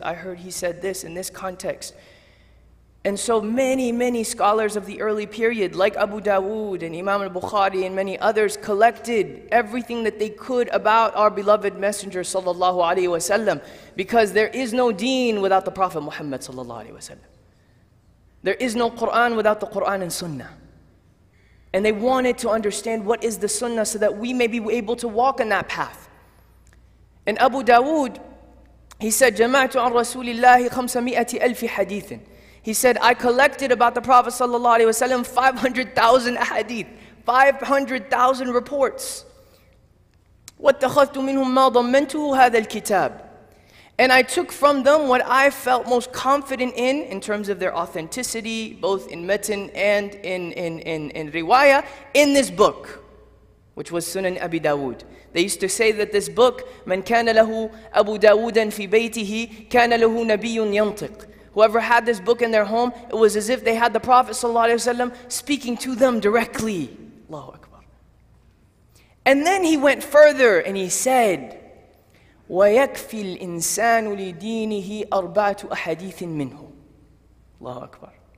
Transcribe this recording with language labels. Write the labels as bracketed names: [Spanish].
[English] I heard he said this in this context. And so many, many scholars of the early period, like Abu Dawood and Imam al-Bukhari and many others, collected everything that they could about our beloved Messenger sallallahu alaihi wasallam, because there is no deen without the Prophet Muhammad sallallahu alaihi wasallam. There is no Quran without the Quran and Sunnah. And they wanted to understand what is the Sunnah so that we may be able to walk in that path. And Abu Dawood, he said, [Arabic] جَمَعْتُ عَنْ رَسُولِ اللَّهِ خَمْسَ مِئَةِ أَلْفِ حَدِيثٍ. [English] He said, I collected about the Prophet sallallahu alaihi wasallam 500,000 hadith, 500,000 reports. [Arabic] وَاتَّخَذْتُ مِنْهُمْ مَا ضَمَّنْتُهُ هَذَا الْكِتَابِ. [English] And I took from them what I felt most confident in terms of their authenticity, both in matn and in riwayah, in this book, which was Sunan Abi Dawood. They used to say that this book, [Arabic] مَنْ كَانَ لَهُ أَبُو دَاوُودًا فِي بَيْتِهِ كَانَ لَهُ نَبِيٌّ يَنْطِقُ. [English] Whoever had this book in their home, it was as if they had the Prophet ﷺ speaking to them directly. Allahu Akbar. And then he went further and he said, [Arabic] وَيَكْفِي الْإِنسَانُ لِدِينِهِ أَرْبَعَةُ أَحَدِيثٍ مِنْهُ. Allahu Akbar.